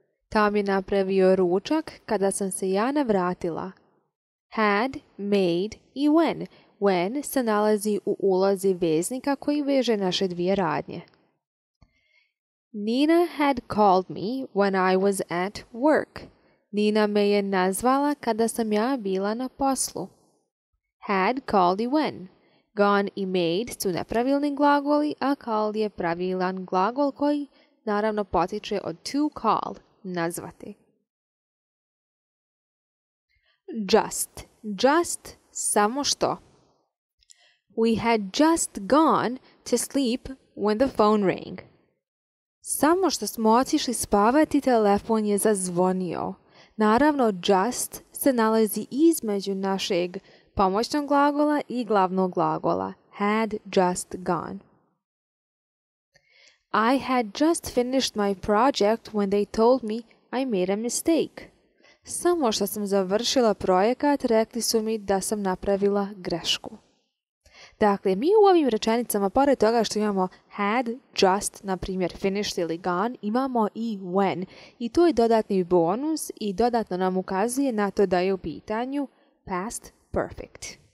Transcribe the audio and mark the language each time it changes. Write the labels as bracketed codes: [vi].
[bs] Tom je napravio ručak kada sam se ja navratila. Had made i when. When se nalazi u ulozi veznika koji veže naše dvije radnje. [en] Nina had called me when I was at work. [bs] Nina me je nazvala kada sam ja bila na poslu. Had called i when. Gone i made su nepravilni glagoli, a called je pravilan glagol koji naravno potiče od to call, nazvati. Just samo što. [en] We had just gone to sleep when the phone rang. [bs] Samo što smo otišli spavati, telefon je zazvonio. Naravno, just se nalazi između našeg pomoćnog glagola i glavnog glagola. [en] Had just gone. I had just finished my project when they told me I made a mistake. [bs] Samo što sam završila projekat, rekli su mi da sam napravila grešku. Dakle, mi u ovim rečenicama, pored toga što imamo had, just, na primjer, finished ili gone, imamo i when. I to je dodatni bonus i dodatno nam ukazuje na to da je u pitanju past perfect.